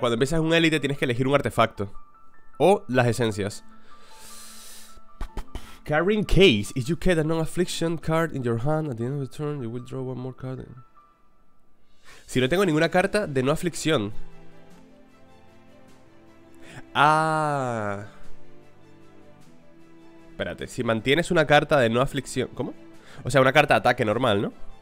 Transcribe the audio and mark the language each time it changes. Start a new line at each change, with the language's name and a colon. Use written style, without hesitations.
Spanish: Cuando empiezas un élite tienes que elegir un artefacto. O las esencias.
English: Carrying case. If you get a non-affliction card in your hand at the end of the turn, you will draw one more card.
Spanish: Si no tengo ninguna carta de no aflicción. Ah. Espérate, si mantienes una carta de no aflicción. ¿Cómo? O sea, una carta de ataque normal, ¿no?